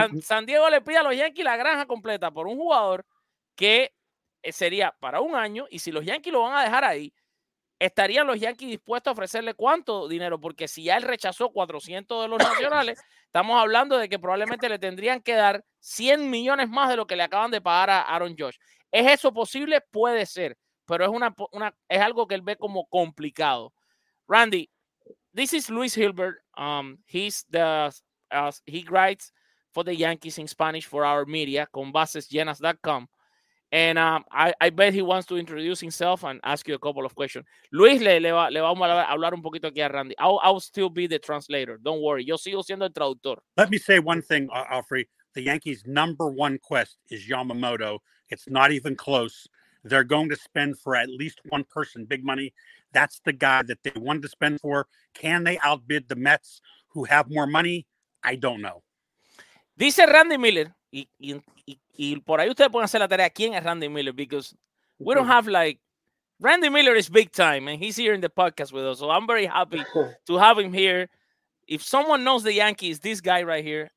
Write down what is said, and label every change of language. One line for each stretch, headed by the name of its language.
Spanish: San Diego le pide a los Yankees la granja completa por un jugador que sería para un año, y si los Yankees lo van a dejar ahí, estarían los Yankees dispuestos a ofrecerle cuánto dinero, porque si ya él rechazó 400 de los nacionales, estamos hablando de que probablemente le tendrían que dar 100 millones más de lo que le acaban de pagar a Aaron Judge. ¿Es eso posible? Puede ser, pero es algo que él ve como complicado.
English: Randy, this is Luis Hilbert. He writes for the Yankees in Spanish for our media, conbasesllenas.com. And I bet he wants to introduce himself and ask you a couple of questions.
Spanish: Luis, le vamos a hablar un poquito aquí a Randy.
English: I'll still be the translator. Don't worry.
Spanish: Yo sigo siendo el traductor.
English: Let me say one thing, Alfrey. The Yankees' number one quest is Yamamoto. It's not even close. They're going to spend for at least one person big money. That's the guy that they wanted to spend for. Can they outbid the Mets, who have more money? I don't know.
Spanish: Dice Randy Miller, y por ahí ustedes pueden hacer la tarea, ¿quién es Randy Miller?
English: Because we don't have like, Randy Miller is big time, and he's here in the podcast with us. So I'm very happy to have him here. If someone knows the Yankees, this guy right here.